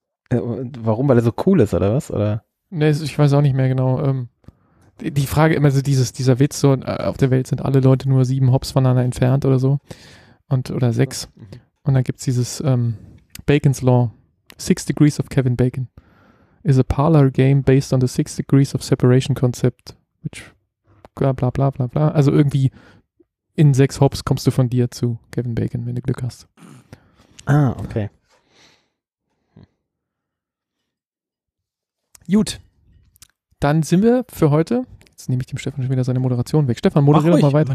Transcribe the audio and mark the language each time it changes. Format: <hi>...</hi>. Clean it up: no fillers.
<de>Warum, weil er so cool ist oder was? Oder? Nee, ich weiß auch nicht mehr genau. Die Frage immer so dieser Witz, so auf der Welt sind alle Leute nur 7 Hops voneinander entfernt oder so. Oder 6. Mhm. Und dann gibt es dieses Bacon's Law.</de> <en>6 Degrees of Kevin Bacon. Is a parlor game based on the 6 Degrees of separation concept. Which bla bla bla bla bla.</en> <de>Also irgendwie in 6 Hops kommst du von dir zu Kevin Bacon, wenn du Glück hast. Ah, okay. Gut. Dann sind wir für heute. Jetzt nehme ich dem Stefan schon wieder seine Moderation weg. Stefan, moderiere doch mal weiter.</de>